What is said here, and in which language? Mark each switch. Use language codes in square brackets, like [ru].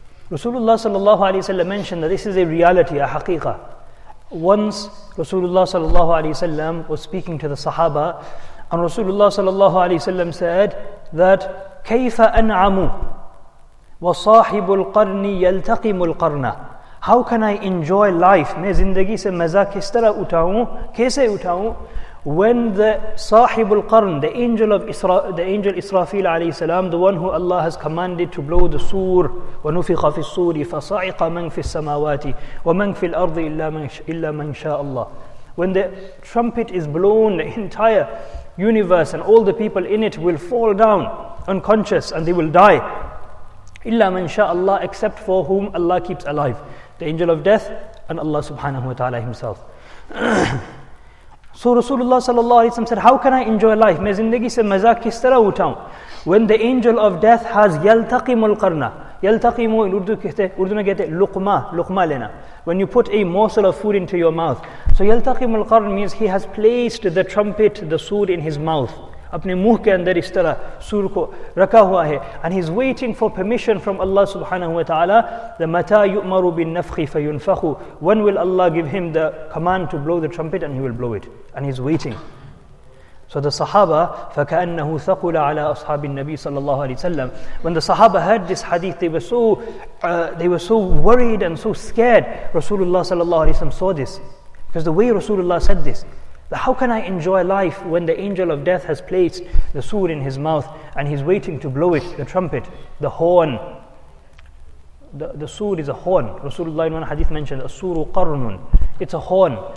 [en] Rasulullah sallallahu alayhi salam mentioned that this is a reality, a haqiqa. Once Rasulullah sallallahu alayhi salam was speaking to the sahaba and Rasulullah sallallahu alayhi salam said that [ar] kayfa an'amu وَصَاحِبُ الْقَرْنِ يَلْتَقِمُ الْقَرْنَ. [en] How can I enjoy life? [ur] میں زندگی سے مزہ کس طرح اٹھاؤں، کیسے اٹھاؤں؟ [en] When the صاحب القرن، the angel Israfil عليه السلام، the one who Allah has commanded to blow the sur، [ar] وَنُفِخَ فِي السُّورِ فَصَعِقَ مَنْ فِي السَّمَاوَاتِ وَمَنْ فِي الْأَرْضِ إِلَّا مَنْ شَاءَ اللَّهِ. [en] When the trumpet is blown, the entire universe and all the people in it will fall down unconscious and they will die. [ar] Illa man sha'Allah, [en] except for whom Allah keeps alive, the angel of death and Allah subhanahu wa ta'ala himself. So Rasulullah sallallahu alayhi wa sallam said, how can I enjoy life? [ur] Main zindagi se mazak kis tarah uthaun? [en] When the angel of death has [ar] yaltaqimul qarna. [ur] Yaltaqimu in Urdu kehte, Urdu mein kehte luqma, luqma lena. [en] When you put a morsel of food into your mouth. So yaltaqimul qarna means he has placed the trumpet, the sur in his mouth. [ur] Apne muh ke andar is tarah sur ko rakha hua hai. [en] And he's waiting for permission from Allah subhanahu wa ta'ala. The [ar] mata yu'maru bin nafkhi fayunfakhu. [en] When will Allah give him the command to blow the trumpet? And he will blow it. And he's waiting. So the Sahaba, [ar] فَكَأَنَّهُ ثَقُلَ عَلَىٰ أَصْحَابِ النَّبِيِّ صَلَّى اللَّهُ عَلَيْهِ وَسَلَّمْ. [en] When the Sahaba heard this hadith, they were so worried and so scared. Rasulullah صلى الله عليه وسلم saw this. Because the way Rasulullah said this, how can I enjoy life when the angel of death has placed the sur in his mouth and he's waiting to blow it, the trumpet, the horn. The sur is a horn. Rasulullah in one hadith mentioned, [ar] أَصُورُ قَرْنٌ. [en] It's a horn.